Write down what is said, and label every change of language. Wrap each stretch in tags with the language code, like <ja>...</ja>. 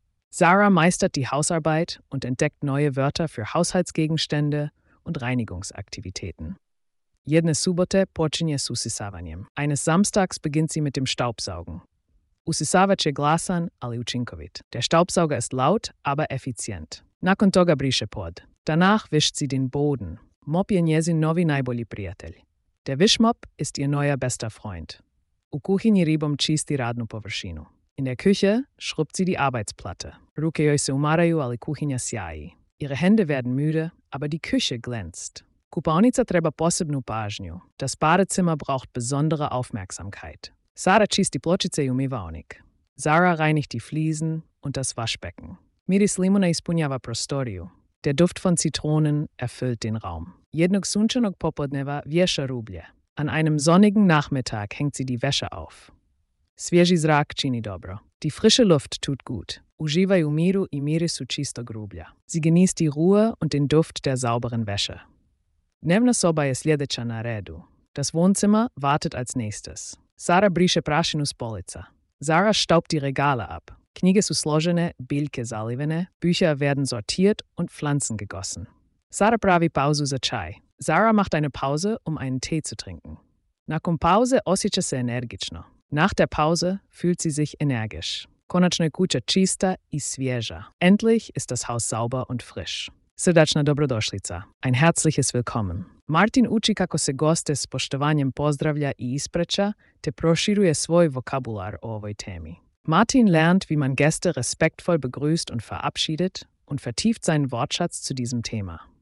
<de>Sara meistert die Hausarbeit und entdeckt neue Wörter für Haushaltsgegenstände und Reinigungsaktivitäten.</de> <hr>Jedne subote počinje s usisavanjem.</hr> <de>Eines Samstags beginnt sie mit dem Staubsaugen.</de> <hr>Usisavač je glasan, ali učinkovit.</hr> <de>Der Staubsauger ist laut, aber effizient.</de> <hr>Nakon toga briše pod.</hr> <de>Danach wischt sie den Boden.</de> <hr>Mop je njezin novi najbolji prijatelj.</hr> <de>Der Wischmop ist ihr neuer bester Freund.</de> <hr>U kuhinji ribom čisti radnu površinu.</hr> <de>In der Küche schrubbt sie die Arbeitsplatte.</de> <hr>Ruke joj se umaraju, ali kuhinja sjaji.</hr> <de>Ihre Hände werden müde, aber die Küche glänzt.</de> <hr>Kupaonica treba posebnu pažnju.</hr> <de>Das Badezimmer braucht besondere Aufmerksamkeit.</de> <hr>Sara čisti pločice i umivaonik.</hr> <de>Sara reinigt die Fliesen und das Waschbecken.</de> <hr>Miris limuna ispunjava prostoriju.</hr> <de>Der Duft von Zitronen erfüllt den Raum.</de> <hr>Jednog sunčanog popodneva vješa rublje.</hr> <de>An einem sonnigen Nachmittag hängt sie die Wäsche auf.</de> <hr>Svježi zrak čini dobro.</hr> <de>Die frische Luft tut gut.</de> <hr>Uživaj u miru i mirisu čistog rublja.</hr> <de>Sie genießt die Ruhe und den Duft der sauberen Wäsche.</de> <hr>Dnevna soba je sljedeća na redu.</hr> <de>Das Wohnzimmer wartet als nächstes.</de> <hr>Sara briše prašinu s polica.</hr> <de>Sara staubt die Regale ab.</de> <hr>Knjige su složene, biljke zalivene,</hr> <de>Bücher werden sortiert und Pflanzen gegossen.</de> <hr>Sara pravi pauzu za čaj.</hr> <de>Sara macht eine Pause, um einen Tee zu trinken.</de> <hr>Nakon pauze osjeća se energično.</hr> <de>Nach der Pause fühlt sie sich energisch.</de> <hr>Konačno je kuća čista i svježa.</hr> <de>Endlich ist das Haus sauber und frisch.</de> <hr>Srdačna dobrodošlica.</hr> <de>Ein herzliches Willkommen.</de> <hr>Martin uči kako se goste s poštovanjem pozdravlja i ispreča, te proširuje svoj vokabular o ovoj temi.</hr> <de>Martin lernt, wie man Gäste respektvoll begrüßt und verabschiedet und vertieft seinen Wortschatz zu diesem Thema.</de>